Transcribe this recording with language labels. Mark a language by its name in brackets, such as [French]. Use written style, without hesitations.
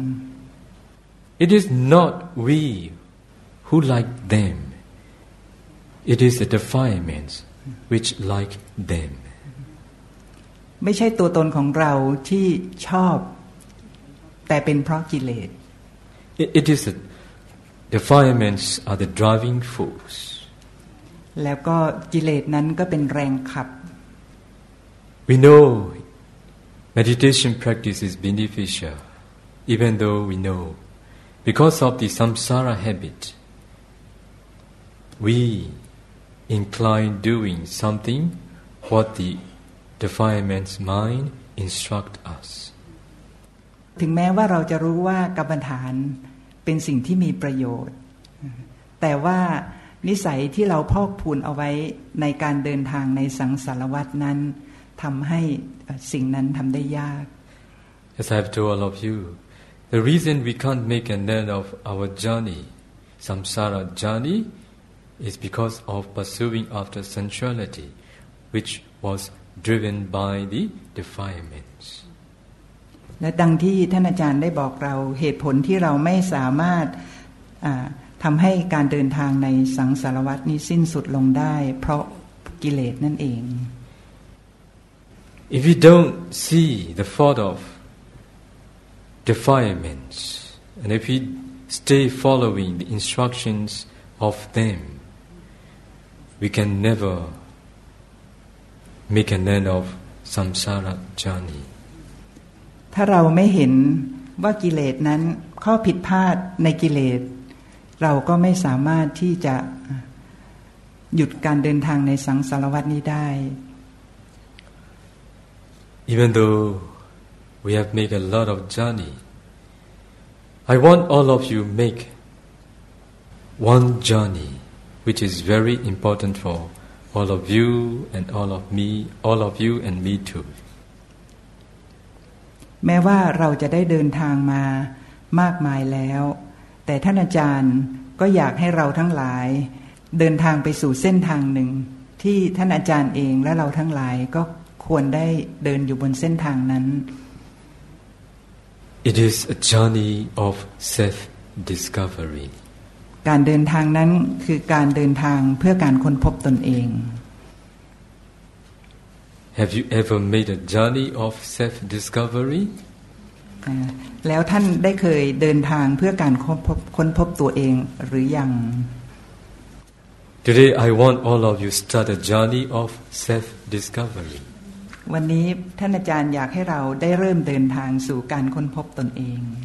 [English] It is not we who like them It is the defilements which like them [Thai] ไม่ใช่ตัวตนของเราที่ชอบแต่เป็นเพราะกิเลส [English] It is the defilements are the driving force [Thai] แล้วก็กิเลสนั้นก็เป็นแรงขับ [English] We know meditation practice is beneficial even though we know because of the samsara habit we incline doing something what thedefilements mind instruct us [Thai] ถึงแม้ว่าเราจะรู้ว่ากรรมฐานเป็นสิ่งที่มีประโยชน์แต่ว่านิสัยที่เราพอกพูนเอาไว้ในการเดินทางในสังสารวัฏนั้นทำให้สิ่งนั้นทำได้ยาก [English] As I have told all of you the reason we can't make an end of our journey samsara journey is because of pursuing after sensuality which wasdriven by the defilements [Thai] และดังที่ท่านอาจารย์ได้บอกเราเหตุผลที่เราไม่สามารถทำให้การเดินทางในสังสารวัฏนี้สิ้นสุดลงได้เพราะกิเลสนั่นเอง [English] If we don't see the thought of defilements and if we stay following the instructions of them we can neverMake an end of samsara journey. [Thai] ถ้าเราไม่เห็นว่ากิเลสนั้นข้อผิดพลาดในกิเลสเราก็ไม่สามารถที่จะหยุดการเดินทางในสังสารวัฏนี้ได้ [English] Even though we have made a lot of journey, I want all of you make one journey, which is very important for. All of you and all of me, all of you and me too. [Thai] แม้ว่าเราจะได้เดินทางมามากมายแล้วแต่ท่านอาจารย์ก็อยากให้เราทั้งหลายเดินทางไปสู่เส้นทางหนึ่งที่ท่านอาจารย์เองและเราทั้งหลายก็ควรได้เดินอยู่บนเส้นทางนั้น [English] It is a journey of self discovery [Thai] การเดินทางนั้นคือการเดินทางเพื่อการค้นพบตนเอง [English] Have you ever made a journey of self-discovery? [Thai] แล้วท่านได้เคยเดินทางเพื่อการค้นพบตัวเองหรือยัง [English] Today I want all of you start a journey of self-discovery. [Thai] วันนี้ท่านอาจารย์อยากให้เราได้เริ่มเดินทางสู่การค้นพบตนเอง